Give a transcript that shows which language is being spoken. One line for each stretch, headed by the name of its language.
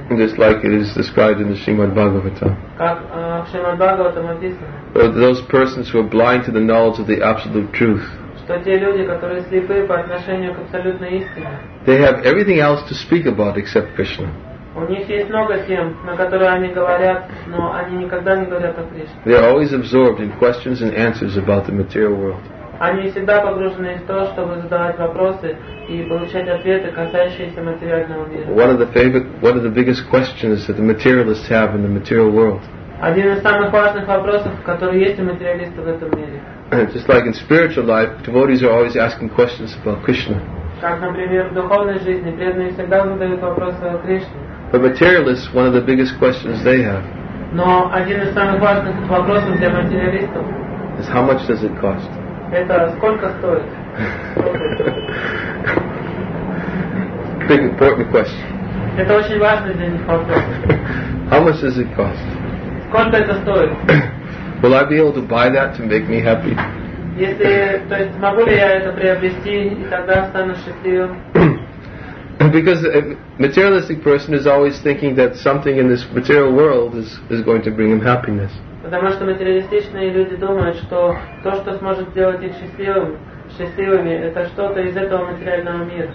English: Just like it is described in the Srimad Bhagavatam.
Russian: Как в Шримад Бхагаватам описано.
English: Those persons who are blind to the knowledge of the absolute truth.
Russian: Что те люди, которые слепы по отношению к абсолютной истине.
English: They have everything else to speak about except Krishna.
Russian: У них есть много тем, на которые они говорят, но они никогда не говорят о Кришне.
English: They are always absorbed in questions and answers about the material world.
Russian: Они всегда погружены в то, чтобы задавать вопросы и получать ответы, касающиеся материального мира.
English: One of the biggest questions that the materialists have in the material world.
Russian: Один из самых важных вопросов, который есть у материалистов в этом мире.
English: Just like in spiritual life, devotees are always asking questions about Krishna.
Russian: Как, например, в духовной жизни преданные всегда задают вопросы о Кришне.
English: But materialists, one of the biggest questions they have.
Russian: Но один из самых важных вопросов для материалистов.
English: Is how much does it cost?
Russian: Это сколько стоит?
English: Big important question.
Russian: Это очень важный для них вопрос.
English: How much does it cost?
Russian: Сколько это стоит?
English: Will I be able to buy that to make me happy?
Russian: Если, то есть, могу ли я это приобрести и тогда стану счастливым?
English: Because a materialistic person is always thinking that something in this material world is going to bring him happiness.
Russian: Потому что материалистичные люди думают, что то, что сможет сделать их счастливыми, это что-то из этого материального мира.